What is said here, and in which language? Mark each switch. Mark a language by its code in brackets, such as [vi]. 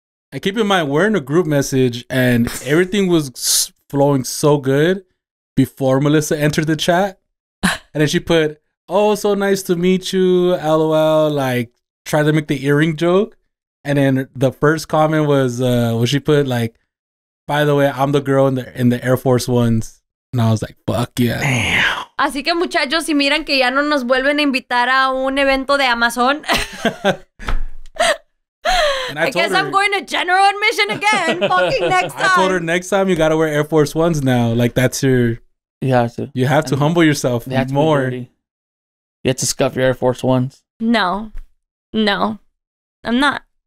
[en] And keep in mind, we're in a group message and everything was flowing so good before Melissa entered the chat. And then she put, oh, so nice to meet you. LOL. Like, try to make the earring joke. And then the first comment was, she put like, by the way, I'm the girl in the Air Force Ones. And I was like, fuck yeah. Damn. [es] Así que muchachos, si miran que ya no nos vuelven a invitar a un evento de Amazon. [en] I guess I'm going to general admission again. Fucking next time. I told her next time you got to wear Air Force Ones now. Like that's your... You have to humble yourself more. You have to scuff your Air Force Ones. No. I'm not.